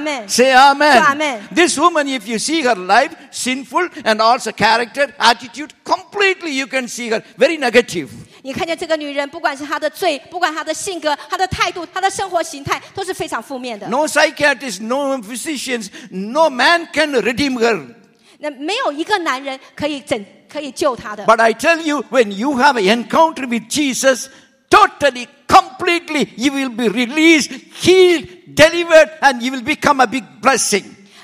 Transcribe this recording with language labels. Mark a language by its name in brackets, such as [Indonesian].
[English] Say Amen. This woman, if you see her life, sinful, and also character, attitude, completely you can see her very negative. [Chinese] 你看见这个女人，不管是她的罪，不管她的性格，她的态度，她的生活形态，都是非常负面的。 [English] No psychiatrist, no physicians, no man can redeem her. [Chinese] 那没有一个男人可以拯，可以救她的。 [English] But I tell you, when you have an encounter with Jesus, totally, completely, you will be released, healed, delivered, and you will become a big blessing.